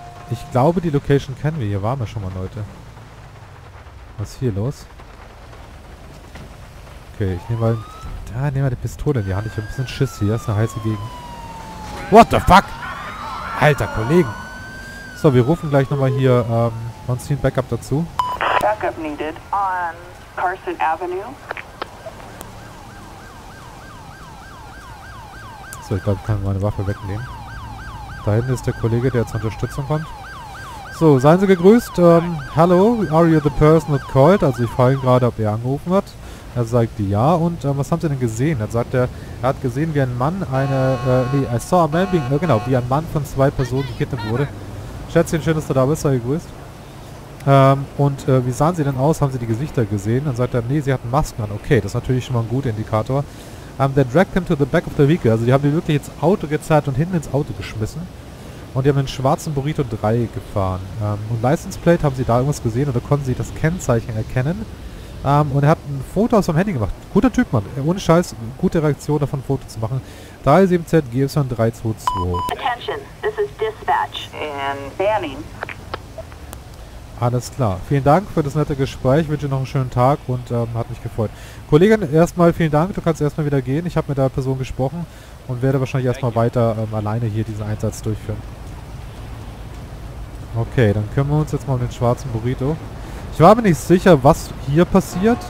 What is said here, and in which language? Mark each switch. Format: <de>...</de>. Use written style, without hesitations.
<de>Ich glaube, die Location kennen wir. Hier waren wir schon mal, Leute. Was ist hier los? Okay, ich nehme mal... Da, nehmen wir die Pistole in die Hand. Ich habe ein bisschen Schiss hier. Das ist eine heiße Gegend.</de> <en>What the fuck?</en> <de>Alter, Kollegen. So, wir rufen gleich nochmal hier, und ziehen Backup dazu.</de> <en>Backup needed on Carson Avenue.</en> <de>So, ich glaube, ich kann meine Waffe wegnehmen. Da hinten ist der Kollege, der zur Unterstützung kommt. So, seien Sie gegrüßt.</de> <en>Hello, are you the person that called?</en> <de>Also, ich frage ihn gerade, ob er angerufen hat. Er sagt ja. Und was haben Sie denn gesehen? Dann sagt er, er hat gesehen, wie ein Mann eine...</de> <en>I saw a man being...</en> <de>genau, wie ein Mann von zwei Personen gekidnappt wurde. Schätzchen, schön, dass du da bist. Sei gegrüßt. Wie sahen Sie denn aus? Haben Sie die Gesichter gesehen? Dann sagt er, nee, Sie hatten Masken an. Okay, das ist natürlich schon mal ein guter Indikator.</de> <en>They dragged him to the back of the vehicle.</en> <de>Also die haben die wirklich ins Auto gezerrt und hinten ins Auto geschmissen. Und die haben einen schwarzen Burrito 3 gefahren. Und License Plate, haben Sie da irgendwas gesehen oder konnten Sie das Kennzeichen erkennen? Und er hat ein Foto aus dem Handy gemacht. Guter Typ, Mann. Ohne Scheiß, gute Reaktion davon, ein Foto zu machen. 37ZGY322.</de> <en>Attention, this is dispatch and banning.</en> <de>Alles klar. Vielen Dank für das nette Gespräch. Ich wünsche dir noch einen schönen Tag und hat mich gefreut. Kollegin, erstmal vielen Dank. Du kannst erstmal wieder gehen. Ich habe mit der Person gesprochen und werde wahrscheinlich erstmal weiter alleine hier diesen Einsatz durchführen. Okay, dann kümmern wir uns jetzt mal um den schwarzen Burrito. Ich war mir nicht sicher, was hier passiert.</de>